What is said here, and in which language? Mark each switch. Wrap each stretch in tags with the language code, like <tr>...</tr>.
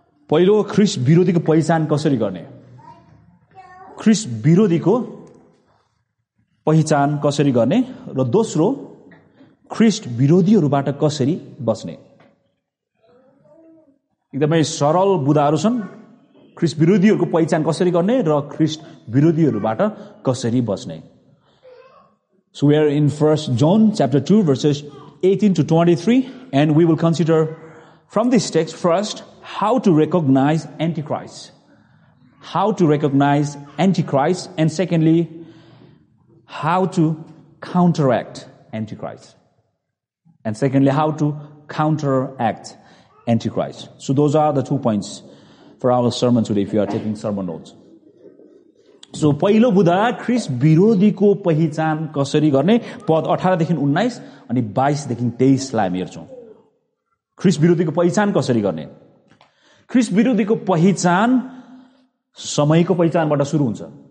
<ne>पहिलो, ख्रिस्ट विरोधीको पहिचान कसरी गर्ने? ख्रिस्ट विरोधीको पहिचान कसरी गर्ने? र दोस्रो, ख्रिस्ट विरोधीहरूबाट कसरी बस्ने? एकदमै सरल बुदाहरू छन्। ख्रिस्ट विरोधीहरूको पहिचान कसरी गर्ने र ख्रिस्ट विरोधीहरूबाट कसरी बस्ने?</ne> <en>So we are in 1 John chapter 2 verses 18 to 23. And we will consider from this text first how to recognize Antichrist. How to recognize Antichrist. And secondly, how to counteract Antichrist. And secondly, how to counteract Antichrist. So those are the 2 points for our sermon today, if you are taking sermon notes.</en> <ne>So, पहिलो बुदा Chris विरोधीको पहिचान कसरी गर्ने पद 18 देखि 19 अनि 22 देखि 23 लाई हेर्छौं क्रिस विरोधीको पहिचान कसरी गर्ने क्रिस विरोधीको पहिचान समयको पहिचानबाट सुरु हुन्छ</ne>